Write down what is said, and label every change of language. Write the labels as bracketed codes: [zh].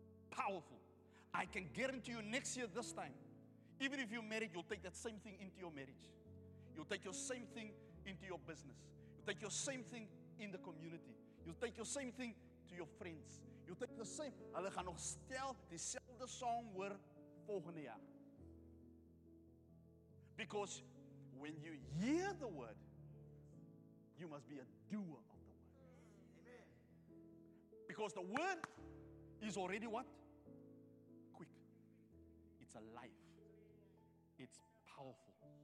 [en] Powerful. I can guarantee you next year this time, even if you're married, you'll take that same thing into your marriage. You'll take your same thing into your business. You'll take your same thing in the community. You'll take your same thing to your friends. You'll take the same. [af] Hulle gaan nog stel dieselfde song weer volgende jaar. [en] Because when you hear the word, you must be a doer of the word. Because the word is already what? Quick. It's alive. It's powerful.